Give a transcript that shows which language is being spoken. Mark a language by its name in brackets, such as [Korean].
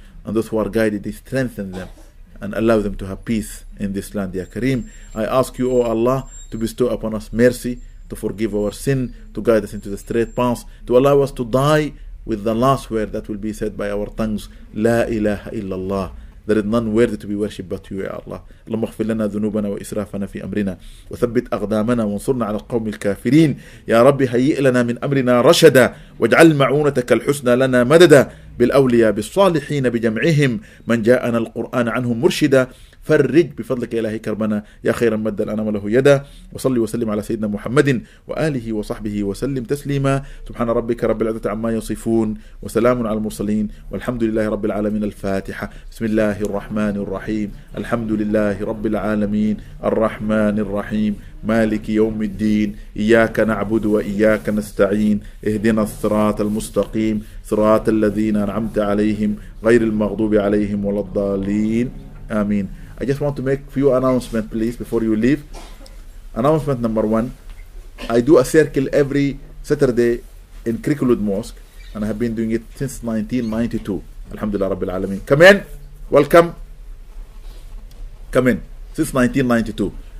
[English] And those who are guided, strengthen them and allow them to have peace in this land, Ya Kareem. I ask you, O Allah, to bestow upon us mercy, to forgive our sin, to guide us into the straight path, to allow us to die with the last word that will be said by our tongues, [Arabic] La ilaha illallah. [English] There is none worthy to be worshipped but you, Ya Allah. [Arabic] اللهم اغفر لنا ذنوبنا وإسرافنا في أمرنا وثبت أقدامنا وانصرنا على القوم الكافرين. يا ربي هيئ لنا من أمرنا رشدا واجعل معونتك الحسنى لنا مددا بالأولياء بالصالحين بجمعهم من جاءنا القرآن عنهم مرشدا فرج بفضلك إلهي كربنا يا خير مد الأنام له يدا وصلي وسلم على سيدنا محمد وآله وصحبه وسلم تسليما. سبحان ربك رب العزة عما يصفون وسلام على المرسلين والحمد لله رب العالمين. الفاتحة. بسم الله الرحمن الرحيم. الحمد لله رب العالمين الرحمن الرحيم مالك يوم الدين إياك نعبد وإياك نستعين اهدنا الصراط المستقيم صراط الذين أنعمت عليهم غير المغضوب عليهم ولا الضالين آمين. [English] I just want to make a few announcements, please, before you leave. Announcement number one, I do a circle every Saturday in Cricklewood Mosque, and I have been doing it since 1992. [Arabic] Alhamdulillah Rabbil Alameen. [English] Come in. Welcome. Come in. Since 1992.